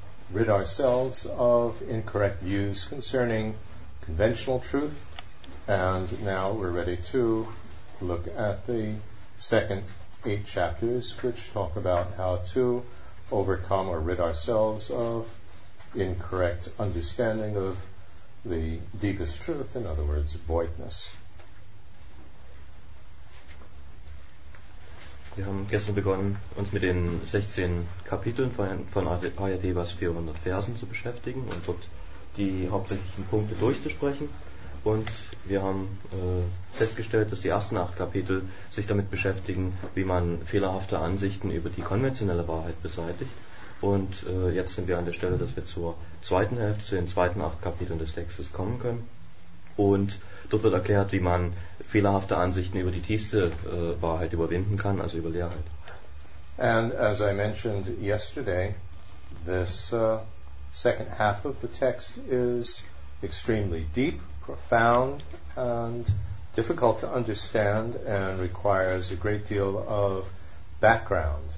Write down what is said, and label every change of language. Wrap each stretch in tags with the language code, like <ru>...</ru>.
<en>rid ourselves of incorrect views concerning conventional truth, and now we're ready to look at the second 8 chapters, which talk about how to overcome or rid ourselves of incorrect understanding of the deepest truth, in other words, voidness.</en> <de>Wir haben gestern begonnen, uns mit den 16 Kapiteln von Aryadevas 400 Versen zu beschäftigen und dort die hauptsächlichen Punkte durchzusprechen. Und wir haben festgestellt, dass die ersten 8 Kapitel sich damit beschäftigen, wie man fehlerhafte Ansichten über die konventionelle Wahrheit beseitigt. Und jetzt sind wir an der Stelle, dass wir zur zweiten Hälfte, zu den zweiten 8 Kapiteln des Textes kommen können. Und dort wird erklärt, wie man fehlerhafte Ansichten über die tiefste Wahrheit überwinden kann, also über Leerheit.</de> <en>And as I mentioned yesterday, this second half of the text is extremely deep, profound and difficult to understand and requires a great deal of background.</en>